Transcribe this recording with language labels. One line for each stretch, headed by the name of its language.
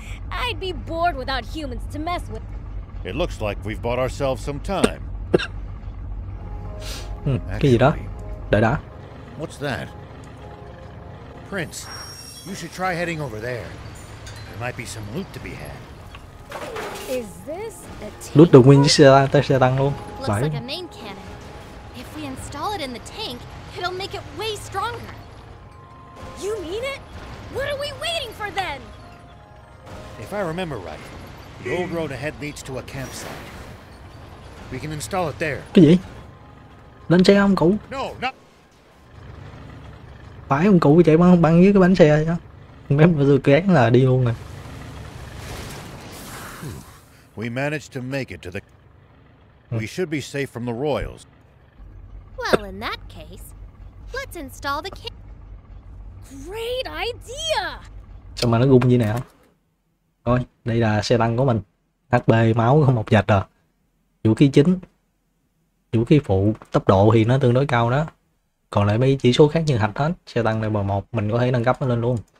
English: I'd be bored without humans to mess with. It looks like we've bought ourselves some time.
Vietnamese: Cái gì đó? Đợi đã.
English: What's that? Prince, you should try heading over there. There might be some loot to be had. Is this a tank?
Vietnamese: Loot được nguyên chiếc xe tăng luôn.
English: Looks like a main cannon. If we install it in the tank, it'll make it way stronger. You mean it? What are we waiting for then? If I remember right, the old road ahead leads to a campsite. We can install it there.
Vietnamese: Cái gì? Lên xe ông cụ.
English: No, no.
Vietnamese: Phải ông cụ chạy băng dưới cái bánh xe chứ. Mấy vừa kén là đi luôn rồi.
English: We managed to make it to the. We should be safe from the royals. Well, in that case, let's install the camp. Great idea.
Vietnamese: Sao mà nó gung như này hả? Thôi, đây là xe tăng của mình. HP máu không một dạch à. Vũ khí chính. Vũ khí phụ, tốc độ thì nó tương đối cao đó. Còn lại mấy chỉ số khác như hạch hết. Xe tăng level 1, mình có thể nâng cấp nó lên luôn.